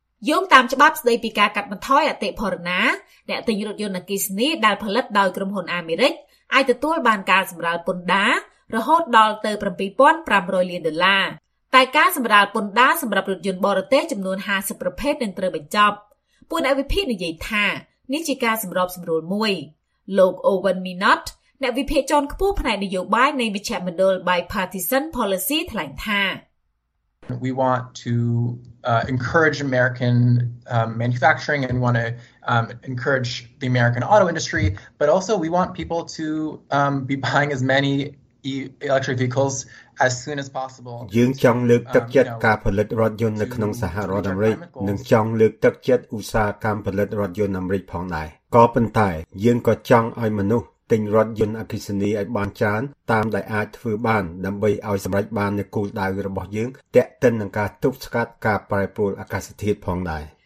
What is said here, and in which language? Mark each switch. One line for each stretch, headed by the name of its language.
Khmer: យោងតាមច្បាប់ស្ដីពីការកាត់បន្ថយអតិផរណាអ្នកទិញរថយន្តអគ្គិសនីដែលផលិតដោយក្រុមហ៊ុនអាមេរិកអាចទទួលបានការសម្រាលពន្ធដាររហូតដល់ទៅ 7,500 លានដុល្លារតែការសម្រាលពន្ធដារសម្រាប់រថយន្តបរទេសចំនួន50ប្រភេទនឹងត្រូវបញ្ចប់ពួកអ្នកវិភាគនិយាយថានេះជាការសម្របសម្រួលមួយលោក Owen Minot អ្នកវិភាគជាន់ខ្ពស់ផ្នែកនយោបាយនៃវិជ្ជាមណ្ឌល Bipartisan Policy ថ្លែងថា
English: We want to encourage American manufacturing and want to encourage the American auto industry but also we want people to be buying as many electric vehicles as soon as possible
Khmer: យើងចង់លើកទឹកចិត្តការផលិតរថយន្តនៅក្នុងសហរដ្ឋអាមេរិកនិងចង់លើកទឹកចិត្តឧស្សាហកម្មផលិតរថយន្តអាមេរិកផងដែរក៏ប៉ុន្តែយើងក៏ចង់ឲ្យមនុស្សទិញរថយន្តអគ្គិសនីឲ្យបានច្រើនតាមដែលអាចធ្វើបានដើម្បីឲ្យសម្រេចបាននូវគោលដៅរបស់យើងតេតិននឹងការទប់ស្កាត់ការប្រែប្រួលអាកាសធាតុផងដែរ